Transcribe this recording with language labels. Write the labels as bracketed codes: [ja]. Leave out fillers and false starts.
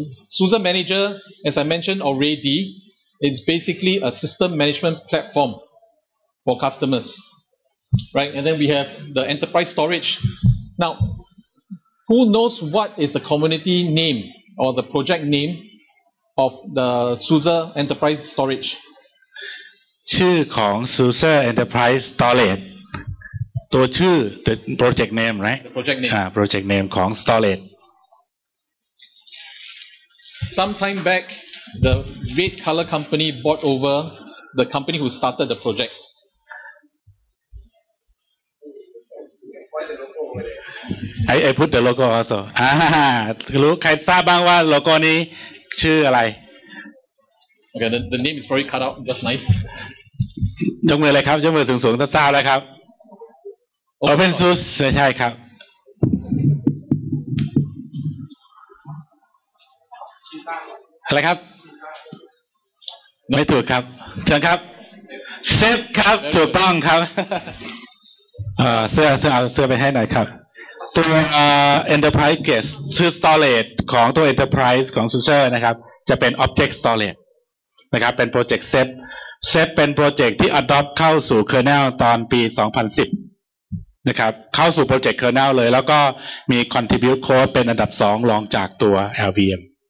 [en] SUSE Manager, as I mentioned already, is basically a system management platform for customers, right? And then we have the enterprise storage. Now, who knows what is the community name or the project name of the SUSE Enterprise Storage? [th] ชื่อของ SUSE Enterprise Storage. ตัวชื่อ [en] the project name right the project name [th] project name ของ Storage [en] sometime back the red color company bought over the company who started the project I put the logo also [th] รู้ใครทราบบ้างว่าโลโก้นี้ชื่ออะไร [en] okay the name is probably cut out just nice [th] ยกมืออะไรครับยกมือสูงๆจะทราบแล้วครับOpen source ใช่ครับ อะไรครับ no. ไม่ถูกครับเชิญครับเซฟครับถูกต้องครับเสื้อไปให้หน่อยครับตัว enterprise guest ชื่อ storage ของตัว enterprise ของ SUSE นะครับจะเป็น object storage นะครับเป็น project safe เป็น project ที่ adopt เข้าสู่ kernel ตอนปี2010นะครับเข้าสู่โปรเจกต์ kernel เลยแล้วก็มี contribute code เป็นอันดับ2รองจากตัว LVM